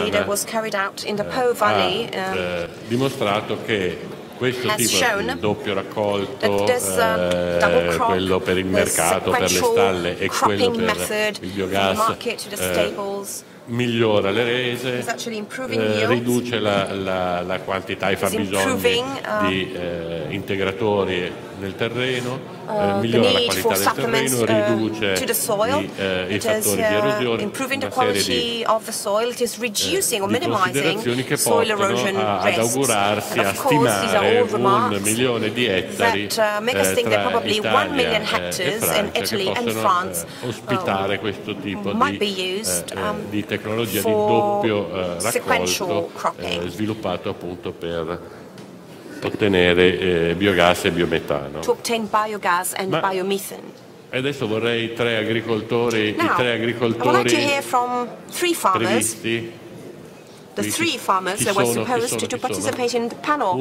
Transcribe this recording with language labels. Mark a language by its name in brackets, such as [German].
[English] study that was carried out in the Po Valley [Italian] dimostrato che questo tipo di doppio raccolto, quello per il mercato, per le stalle e quello per il biogas, migliora le rese, riduce la quantità e fabbisogno di integratori nel terreno, migliora la qualità del terreno, riduce i fattori di erosione, una serie di considerazioni che portano ad augurarsi, a stimare un milione di ettari tra Italia e Francia che possono ospitare questo tipo di tecnologia di doppio raccolto sviluppato appunto per ottenere biogas e biometano. [English] To obtain biogas and biomethane. [Italian] Adesso vorrei i tre agricoltori [English] I would like to hear from three farmers, [Italian] previsti. [English] The three farmers that were supposed to participate in the panel.